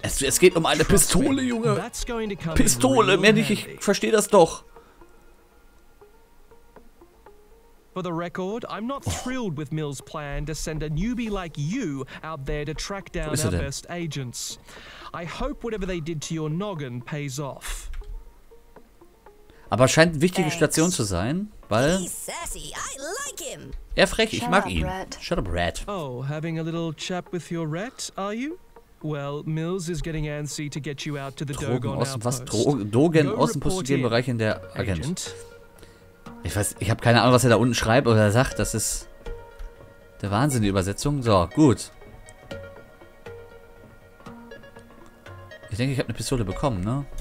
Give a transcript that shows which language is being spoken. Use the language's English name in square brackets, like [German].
[German] Es geht um eine Pistole, Junge. Pistole, mehr nicht, ich verstehe das doch. [English] For the record, I'm not thrilled with Mills' plan to send a newbie like you out there to track down our best agents. I hope whatever they did to your noggin pays off. [German] Aber scheint eine wichtige Station zu sein, weil [English] he's sassy. I like him. [German] Er frech, ich mag ihn. [English] Rhett. Shut up, Rhett. Oh, having a little chat with your Rhett, are you? Well, Mills is getting antsy to get you out to the Dogon Outpost. [German] Dogon Außenpost ist der Bereich in der Agent. Agent. Ich weiß, ich habe keine Ahnung, was er da unten schreibt oder sagt. Das ist der Wahnsinn, die Übersetzung. So, gut. Ich denke, ich habe eine Pistole bekommen, ne?